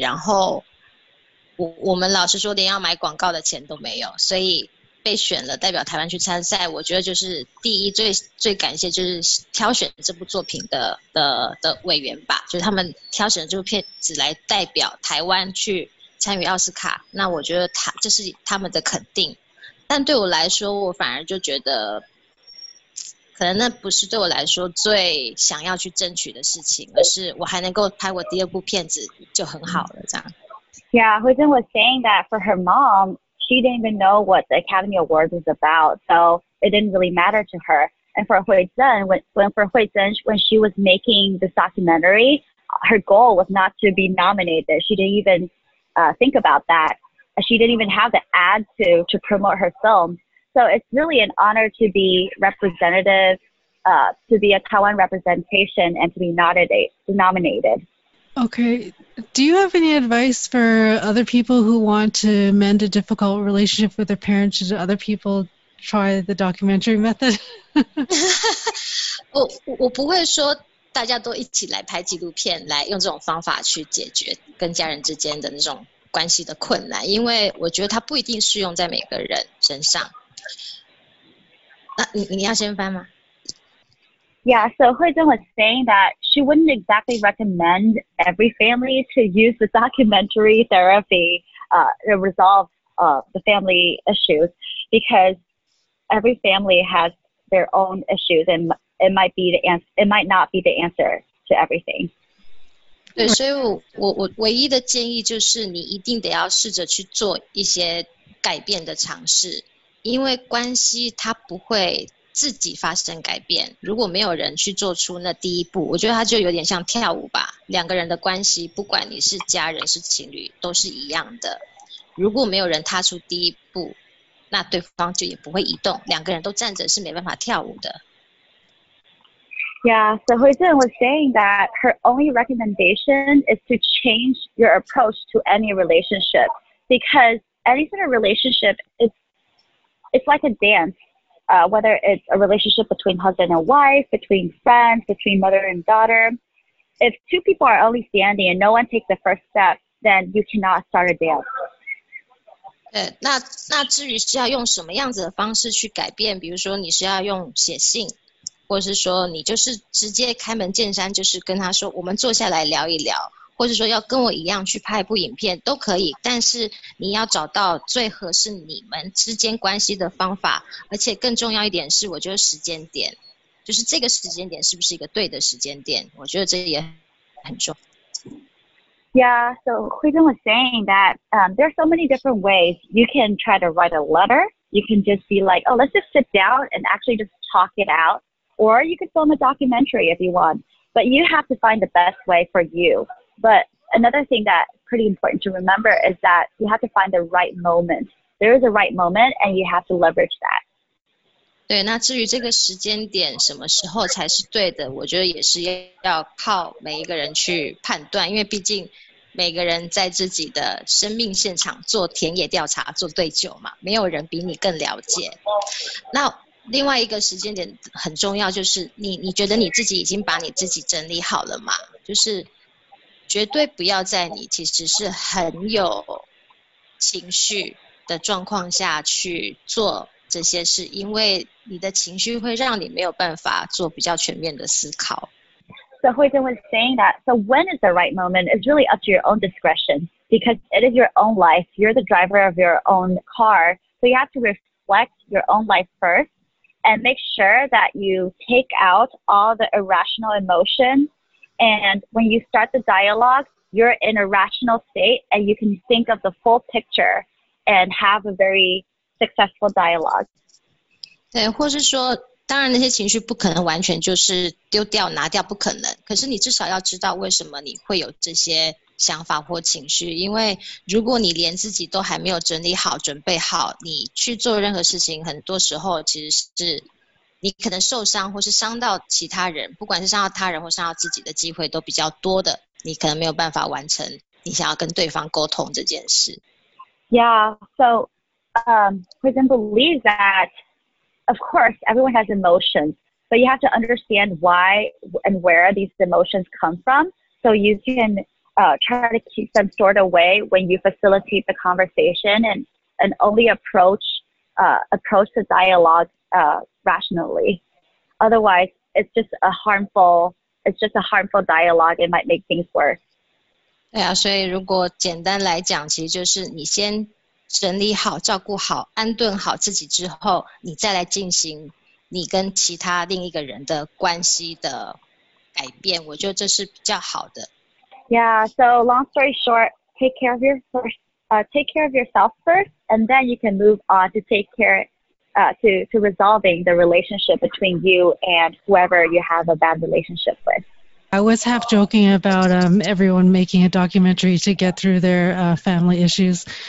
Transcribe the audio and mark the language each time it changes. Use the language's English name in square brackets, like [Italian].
[Chinese] 然后我们老实说，连要买广告的钱都没有，所以被选了代表台湾去参赛，我觉得就是第一最感谢就是挑选这部作品的委员吧，就是他们挑选这部片子来代表台湾去参与奥斯卡，那我觉得这是他们的肯定。但对我来说，我反而就觉得可能那不是对我来说最想要去争取的事情，而是我还能够拍我第二部片子就很好了这样。 [English] Yeah, Hui Zhen was saying that for her mom,She didn't even know what the Academy Awards was about, so it didn't really matter to her. And for Hui Zhen, when she was making this documentary, her goal was not to be nominated. She didn't even think about that. She didn't even have the ad to promote her film. So it's really an honor to be representative, to be a Taiwan representation and to be nominated. Okay. Do you have any advice for other people who want to mend a difficult relationship with their parents? Should other people try the documentary method? [Chinese] 我不会说大家都一起来拍纪录片，来用这种方法去解决跟家人之间的那种关系的困难，因为我觉得它不一定适用在每个人身上。你要先翻吗？ [English] Yeah, so Hui Zhen was saying that she wouldn't exactly recommend every family to use the documentary therapy to resolve the family issues because every family has their own issues and, it might be the answer. It might not be the answer to everything. [Chinese] 对，所以我唯一的建议就是，你一定得要试着去做一些改变的尝试，因为关系它不会自己发生改变。如果没有人去做出那第一步，我觉得它就有点像跳舞吧。两个人的关系，不管你是家人是情侣，都是一样的。如果没有人踏出第一步，那对方就也不会移动。两个人都站着是没办法跳舞的。 [English] Yeah, so Hui Zhen was saying that her only recommendation is to change your approach to any relationship, because any sort of relationship it's like a dance, whether it's a relationship between husband and wife, between friends, between mother and daughter. If two people are only standing and no one takes the first step, then you cannot start a dance. [Chinese] 那至于是要用什么样子的方式去改变，比如说你是要用写信，或是说你就是直接开门见山，就是跟他说我们坐下来聊一聊，或者说要跟我一样去拍一部影片都可以，但是你要找到最合适你们之间关系的方法，而且更重要一点是，我觉得时间点，就是这个时间点是不是一个对的时间点，我觉得这也很重要。 [English] Yeah, so Hui Zhen was saying that there are so many different ways. You can try to write a letter. You can just be like, oh, let's just sit down and actually just talk it out. Or you could film a documentary if you want. But you have to find the best way for you. But another thing that's pretty important to remember is that you have to find the right moment. There is a right moment, and you have to leverage that. [Chinese] 对，那至于这个时间点什么时候才是对的，我觉得也是要靠每一个人去判断，因为毕竟每个人在自己的生命现场做田野调查，做对酒嘛，没有人比你更了解。那另外一个时间点很重要，就是你觉得你自己已经把你自己整理好了吗？就是绝对不要在你其实是很有情绪的状况下去做这些事，因为你的情绪会让你没有办法做比较全面的思考。 [English] So Hui Zhen was saying that, so when is the right moment is really up to your own discretion, because it is your own life. You're the driver of your own car. So you have to reflect your own life first and make sure that you take out all the irrational emotions. And when you start the dialogue, you're in a rational state and you can think of the full picture and have a very... successful dialogue. [Chinese] 对，或是说，当然那些情绪不可能完全就是丢掉、拿掉，不可能。可是你至少要知道为什么你会有这些想法或情绪，因为如果你连自己都还没有整理好、准备好，你去做任何事情，很多时候其实是你可能受伤或是伤到其他人，不管是伤到他人或伤到自己的机会都比较多的，你可能没有办法完成你想要跟对方沟通这件事。 [English] Yeah, so. Hui Zhen believes that, of course, everyone has emotions, but you have to understand why and where these emotions come from, so you can try to keep them stored away when you facilitate the conversation and only approach the dialogue rationally. Otherwise, it's just a harmful dialogue. It might make things worse. [Chinese] 对啊，所以如果简单来讲，其实就是你先。整理好、照顾好、安顿好自己之后，你再来进行你跟其他另一个人的关系的改变，我觉得这是比较好的。 [English] Yeah, so long story short, take care of yourself first, and then you can move on to take care, to resolving the relationship between you and whoever you have a bad relationship with. I was half joking about everyone making a documentary to get through their family issues.